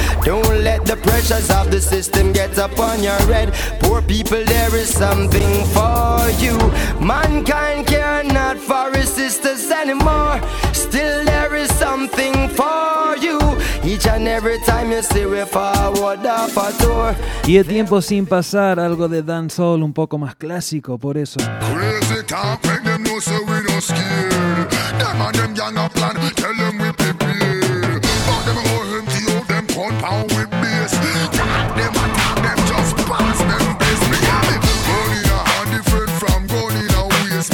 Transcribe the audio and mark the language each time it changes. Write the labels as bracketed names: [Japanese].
[English] Don't let the pressures of the system get up on your head. Poor people, there is something for you. Mankind care not for his sisters anymore. Still there is something for you. Each and every time you see we forward up a door. [Spanish] Y el tiempo sin pasar, algo de dancehall un poco más clásico, por eso. [English] Crazy talk, make them know so we don't scare. Them and them young up plan, tell them we prepare. But them all empty out, them pound pound with bass. Talk them and talk them, just pass them bass. Me and me, gun in a hand different from gun in a waist.